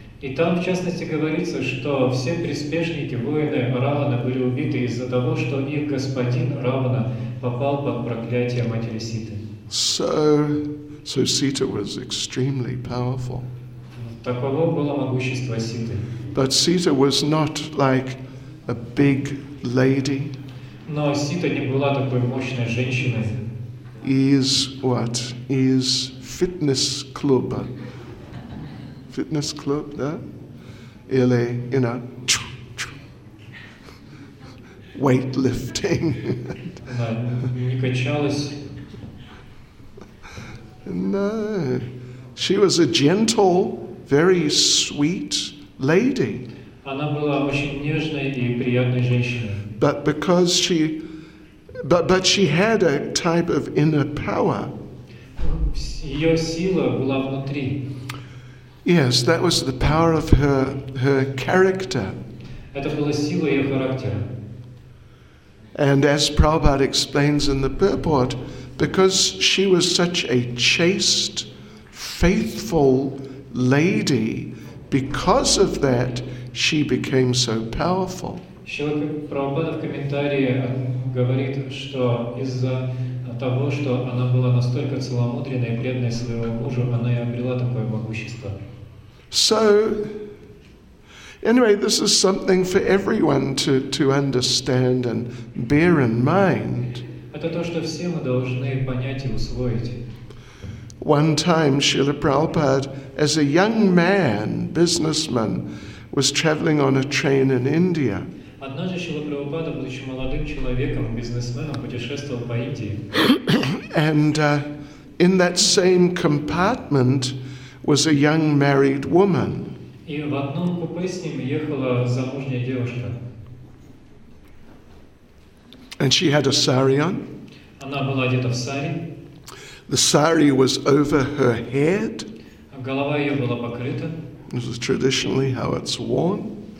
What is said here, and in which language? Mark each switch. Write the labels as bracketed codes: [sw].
[ru] И там, в частности, говорится, что все приспешники, воины Равана были убиты из-за того, что их господин Равана попал под проклятие матери Ситы. [en] So Sita was extremely powerful. [ru] Таково было могущество Ситы. [en] But Sita was not like a big lady. [ru] Но Сита не была такой мощной женщиной. [en] Is what? Is fitness club. Fitness club, [ru] да? Или, [en] you know, weightlifting. [ru] Не качалась. [en] No. She was a gentle, very sweet lady. [ru] Она была очень нежной и приятной женщиной. [en] But because she had a type of inner power. [ru] Ее сила была внутри. [en] Yes, that was the power of her character. [ru] Это была сила ее характера. [en] And as Prabhupada explains in the purport, because she was such a chaste, faithful lady, because of that, she became so powerful. [ru] Шрила Прабхупада в комментарии говорит, что из-за того, что она была настолько целомудренной и преданной своего мужа, она и обрела такое могущество. [en] So, anyway, this is something for everyone to understand and bear in mind. [ru] Это то, что все мы должны понять и усвоить. [en] One time, Srila Prabhupada, as a young man, businessman, was traveling on a train in India. [ru] Однажды Srila Prabhupada, будучи молодым человеком, бизнесменом, путешествовал по Индии. [en] And in that same compartment was a young married woman. [ru] И в одном купе с ним ехала замужняя девушка. [en] And she had a sari on. [ru] Она была одета в сари. [en] The sari was over her head. [ru] Голова ее была покрыта. [en] This is traditionally how it's worn.